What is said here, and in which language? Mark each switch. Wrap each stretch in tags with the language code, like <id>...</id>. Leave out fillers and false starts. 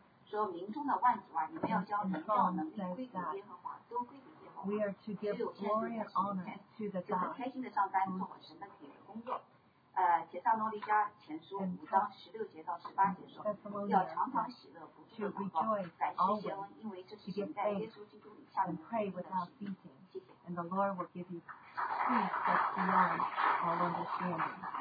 <zh>说民中的万族啊，你们要将荣耀能力归给耶和华，都归给耶和华。</zh> <en>We are to give glory and honor to the God.</en> <zh>就很开心的上班做我神的体力工作。帖撒罗尼迦前书5章16节到18节说，要常常喜乐，不住的祷告，感谢谢恩，因为这是神在耶稣基督里向你们所做的事。谢谢。</zh> <en>And the Lord will give you peace that's beyond all understanding.</en>